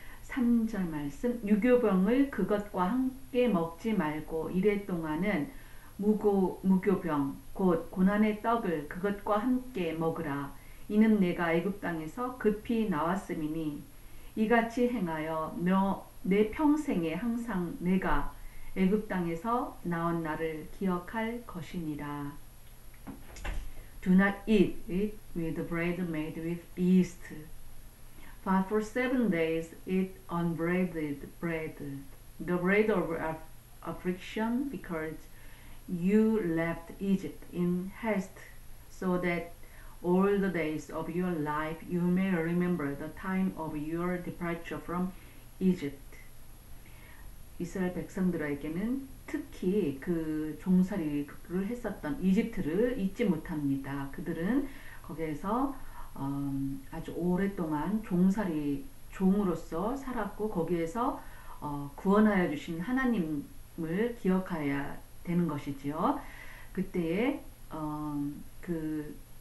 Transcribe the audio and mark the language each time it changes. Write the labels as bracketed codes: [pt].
[ko] 3절 말씀, 유교병을 그것과 함께 먹지 말고 이레 동안은 무교병, 곧 고난의 떡을 그것과 함께 먹으라. 이는 내가 애굽 땅에서 급히 나왔음이니 이같이 행하여 너, 내 평생에 항상 내가 애굽 땅에서 나온 날을 기억할 것이니라. [en] Do not eat it with bread made with yeast. But for 7 days, eat unbreaded bread, the bread of affliction, because you left Egypt in haste, so that all the days of your life you may remember the time of your departure from Egypt. [ko] 이스라엘 백성들에게는 특히 그 종살이를 했었던 이집트를 잊지 못합니다. 그들은 거기에서 아주 오랫동안 종살이 종으로서 살았고, 거기에서 구원하여 주신 하나님을 기억해야 되는 것이지요. 그때에 그